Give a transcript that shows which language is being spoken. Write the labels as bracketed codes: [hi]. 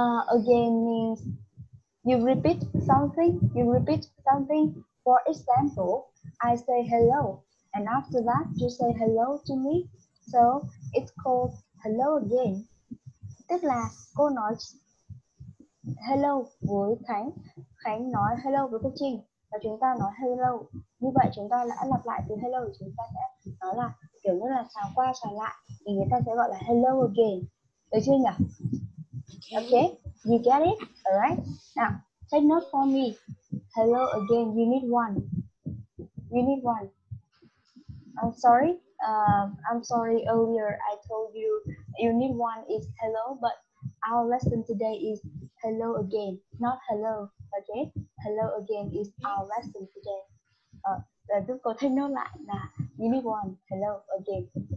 [en] Again means you repeat something, you repeat something. For example, I say hello, and after that, you say hello to me. So, it's called hello again. [vi] Tức là cô nói hello với Khánh, Khánh nói hello với cô Trinh, và chúng ta nói hello. Như vậy, chúng ta đã lặp lại từ hello, chúng ta sẽ nói là kiểu như là chào qua chào lại, thì người ta sẽ gọi là hello again. Được chưa nhỉ? [en] Okay, you get it? Alright. Now, take note for me. Hello again, you need one. You need one. I'm sorry earlier I told you you need one is hello, but our lesson today is hello again, not hello again. Hello again is our lesson today. [vi] Tôi có thể nói lại là [en] you need one, hello again.